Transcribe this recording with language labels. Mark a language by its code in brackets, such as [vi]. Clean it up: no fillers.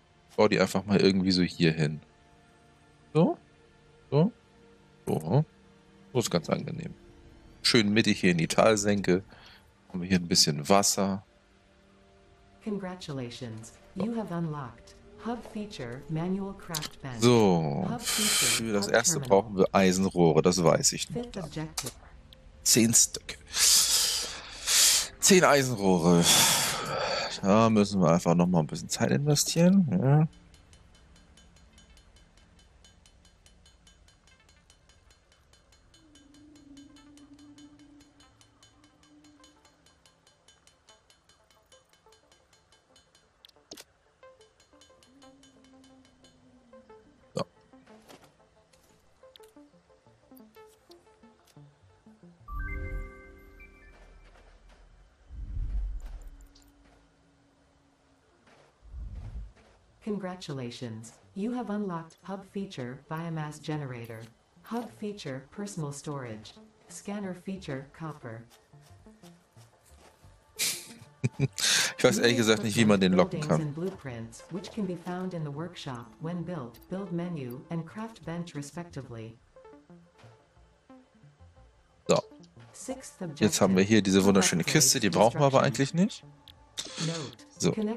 [de] Ich baue die einfach mal irgendwie so hier hin. So. So. So. So ist ganz angenehm. Schön mittig hier in die Talsenke. Haben wir hier ein bisschen Wasser. [en] Congratulations. You have unlocked Hub Feature Manual Craft Bench. [de] So. Für das erste brauchen wir Eisenrohre. Das weiß ich nicht. 10 Stücke. 10 Eisenrohre. Da müssen wir einfach noch mal ein bisschen Zeit investieren. Ja. [en] Congratulations. You have unlocked Hub Feature Biomass Generator. Hub Feature Personal Storage. Scanner Feature Copper. [de] Ich weiß ehrlich gesagt nicht, wie man den locken kann. [en] Blueprints, which can be found in the workshop when built, build menu and craft bench respectively. [de] So. Jetzt haben wir hier diese wunderschöne Kiste, die brauchen wir aber eigentlich nicht. So.